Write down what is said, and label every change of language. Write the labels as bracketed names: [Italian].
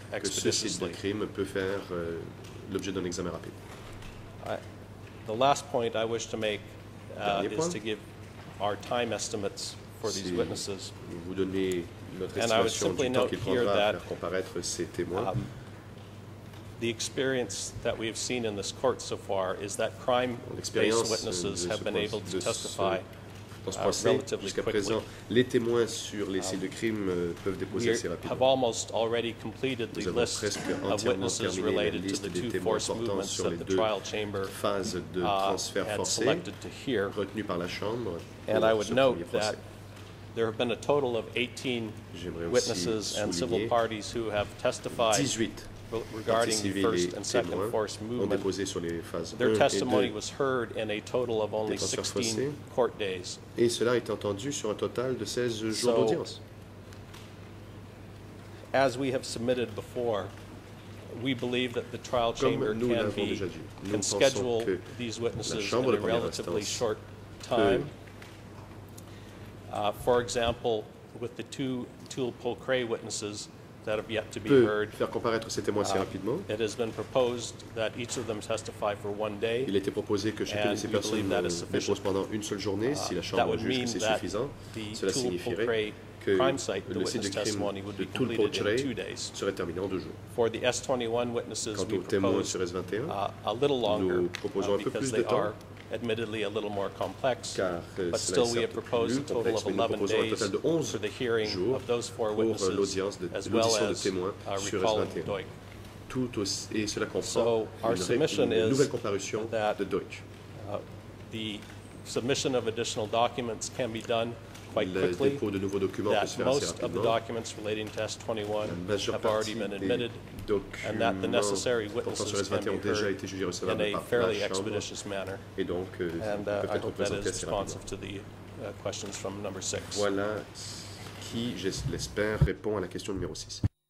[French] que ce site de crime peut faire l'objet d'un examen rapide. Le dernier point, c'est de donner nos estimations de temps [English] for these witnesses. [French] Vous donnez notre estimation du temps qu'il prendra à faire comparaître ces témoins. [English] The experience that we have seen in this court so far is that crime-based witnesses have been able to testify relatively quickly. [French] Les témoins sur les sites de crime peuvent déposer assez rapidement. [English] We have almost already completed the list of witnesses related to the two forced movements that the trial chamber had selected to hear. [French] Retenu par la chambre. [English] And I would note that there have been a total of 18 witnesses and civil parties who have testified regarding the first and second force movement. Their testimony was heard in a total of only 16 court days. [French] Et cela est entendu sur un total de 16 jours d'audience. [English] As we have submitted before, we believe that the trial chamber can schedule these witnesses in a relatively short time. For example, with the two Tuul Pol Kray witnesses that have yet to be heard, [French] faire comparaître ces témoins si rapidement. [English] It has been proposed that each of them testify for one day. [French] Il était proposé que chacune de ces personnes dépose pendant une seule journée, si la chambre juge que c'est suffisant. Cela signifierait que le site de crime de Tuul Pol Kray serait terminé en deux jours. [English] For the S21 witnesses, [French] quant aux témoins sur S21, [English] a little longer, [French] nous proposons un peu plus de temps. [English] Admittedly, a little more complex, [French] car, [English] but still, we have proposed a total of 11 days for the hearing of those four witnesses, as well as recalling Doik. So, our submission is that the submission of additional documents can be done quite quickly. That most of the documents relating to S21 have already been admitted, and that the necessary witnesses can be heard in a fairly expeditious manner. [French] Et donc, [English] and I hope that is responsive to the questions from number six. [French] Voilà qui, j'espère, répond à la question numéro 6.